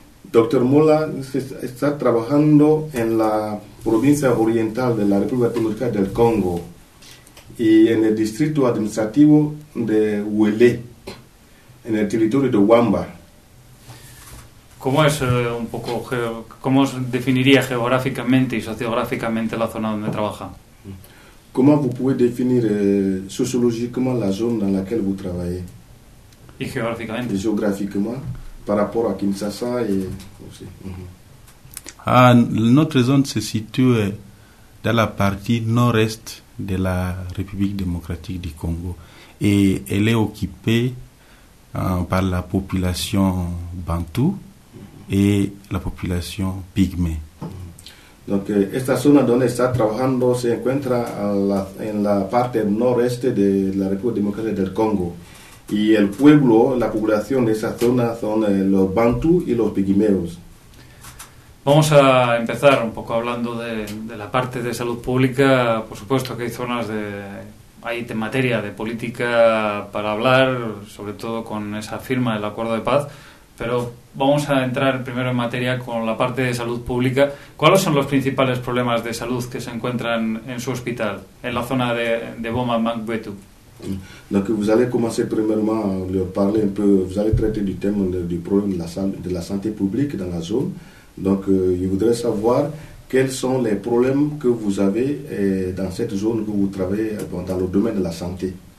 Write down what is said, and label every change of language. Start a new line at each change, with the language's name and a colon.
Spanish: Docteur Mola está trabajando en la provincia oriental de la República Democrática del Congo y en el distrito administrativo de Huele, en el territorio de Wamba. ¿Cómo es un poco, cómo definiría geográficamente y sociográficamente la zona donde trabaja?
French: Comment vous pouvez définir sociologiquement la zone dans laquelle vous travaillez?
Spanish: Y geográficamente.
French: Et géographiquement, par rapport à Kinshasa et aussi. Mm-hmm. Notre zone se situe dans la partie nord-est de la République démocratique du Congo. Et elle est occupée par la population bantou et la population pygmée.
Spanish: Donc, esta zona donde está trabajando se encuentra en la parte noreste de la República Democrática del Congo. Y el pueblo, la población de esa zona son los Bantu y los Pigmeos. Vamos a empezar un poco hablando de la parte de salud pública. Por supuesto que hay zonas de... hay materia de política para hablar, sobre todo con esa firma del Acuerdo de Paz. Pero vamos a entrar primero en materia con la parte de salud pública. ¿Cuáles son los principales problemas de salud que se encuentran en su hospital, en la zona de Boma Mangbetu?
French: Donc vous allez commencer premièrement à leur parler un peu, vous allez traiter du thème du problème de la santé publique dans la zone. Donc je voudrais savoir quels sont les problèmes que vous avez dans cette zone où vous travaillez dans le domaine de la santé.